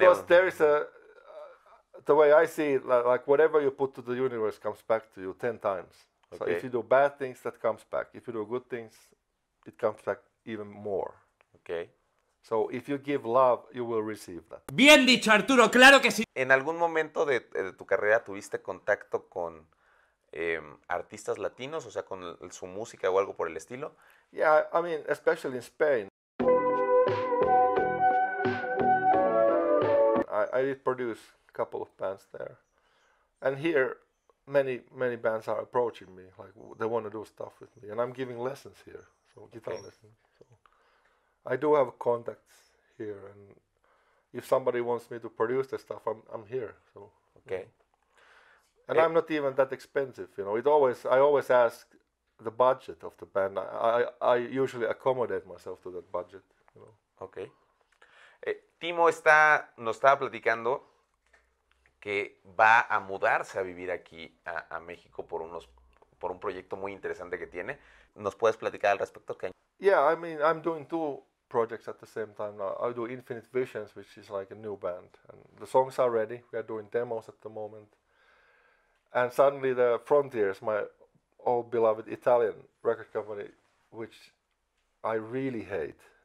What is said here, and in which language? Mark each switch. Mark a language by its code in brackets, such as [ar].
[en] Because there is a, the way I see it, like whatever you put to the universe comes back to you 10 times. Okay. So if you do bad things, that comes back. If you do good things, it comes back even more. Okay. So if you give love, you will receive that. [es] Bien dicho, Arturo, claro que sí. ¿En algún momento de tu carrera tuviste contacto con artistas latinos, o sea, con su música o algo por el estilo? [en] Yeah, I mean, especially in Spain. I, I did produce a couple of bands there. And here, many bands are approaching me, like they want to do stuff with me. And I'm giving lessons here, so guitar lessons. So I do have contacts here, and if somebody wants me to produce the stuff, I'm here. So okay. And I'm not even that expensive, you know. I always ask the budget of the band. I usually accommodate myself to that budget, you know. Okay. [es] Timo nos estaba platicando que va a mudarse a vivir aquí a México por un proyecto muy interesante que tiene. ¿Nos puedes platicar al respecto? Okay. [en] Yeah, I mean, I'm doing two projects at the same time. I do Infinite Visions, which is like a new band, and the songs are ready. We are doing demos at the moment. And suddenly the Frontiers, my old beloved Italian record company, which I really hate.